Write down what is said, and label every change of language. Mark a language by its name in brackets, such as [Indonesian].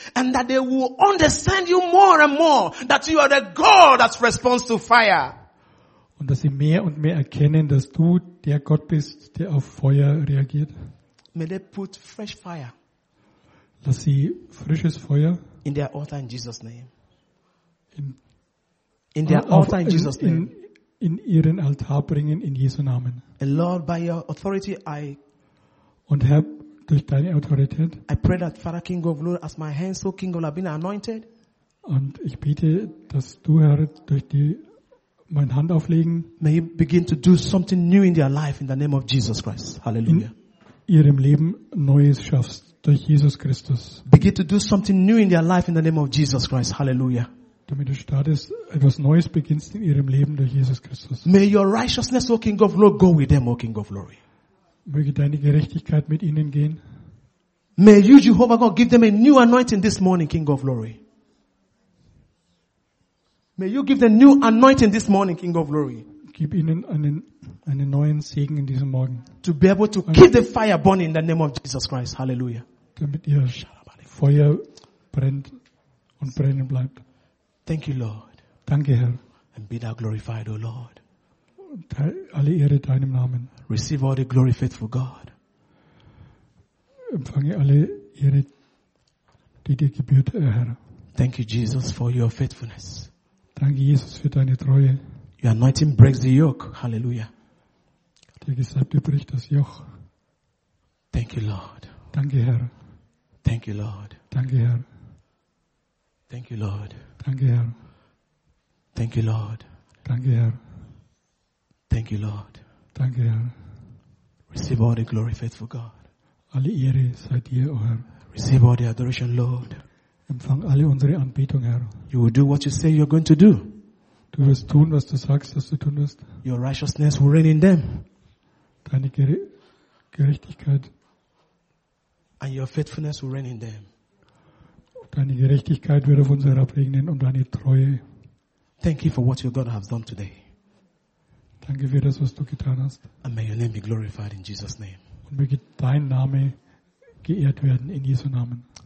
[English] And that they will understand you more and more that you are the God that responds to fire. [German] Und dass sie mehr und mehr erkennen, dass du der Gott bist, der auf Feuer reagiert. [English] May they put fresh fire. [German] Lass sie frisches Feuer [English] in their altar in Jesus' name. In their altar in Jesus' name. [German] In ihren Altar bringen in Jesu Namen. [English] And Lord, by your authority, [German] und Herr, durch deine Autorität. [English] I pray that Father King of Lord, as my hands so King of Lord, have been anointed. [German] Und ich bete, dass du Herr durch die mein Hand auflegen. [English] May he begin to do something new in their life in the name of Jesus Christ. Hallelujah. [German] Ihrem Leben Neues schaffst durch Jesus Christus. [English] Begin to do something new in their life in the name of Jesus Christ. Hallelujah. [German] Damit du startest, etwas Neues beginnst in ihrem Leben durch Jesus Christus. [English] May your righteousness, O King of Lord, go with them, O King of Glory. [German] Möge deine Gerechtigkeit mit ihnen gehen. [English] May you, Jehovah God, give them a new anointing this morning, King of Glory. May you give them new anointing this morning, King of Glory. [German] Gib ihnen einen neuen Segen in diesem Morgen. [English] To be able to keep the fire burning in the name of Jesus Christ. Hallelujah. [German] Damit ihr Feuer brennt und brennen bleibt. [English] Thank you, Lord. [German] Danke, Herr. [English] And be thou glorified, O Lord. [German] Alle Ehre deinem Namen. [English] Receive all the glory, faithful God. [German] empfange alle Ehre, die dir gebührt, Herr. [English] Thank you, Jesus, for your faithfulness. [German] Danke, Jesus, für deine Treue. [English] Your anointing breaks the yoke. Hallelujah. [German] Der Gesalbte bricht das Joch. [English] Thank you, Lord. [German] Danke, Herr. [English] Thank you, Lord. [German] Danke, Herr. [English] Thank you, Lord. [German] Danke, Herr. [English] Thank you, Lord. [German] Danke, Herr. [English] Thank you, Lord. [German] Danke, Herr. [English] Receive all the glory, faithful God. [German] Alle Ehre sei dir, O Herr. [English] Receive all the adoration, Lord. [German] Empfang alle unsere Anbetung, Herr. [English] You will do what you say you're going to do. [German] Du wirst tun, was du sagst, dass du tun wirst. [English] Your righteousness will reign in them. [German] Deine Gerechtigkeit. [English] And your faithfulness will reign in them. [German] Deine Gerechtigkeit wird auf uns herabregnen und deine Treue. [English] Thank you for what your God has done today. [German] Danke für das, was du getan hast. [English] And may your name be glorified in Jesus' name. [German] Und möge dein Name geehrt werden in Jesu Namen.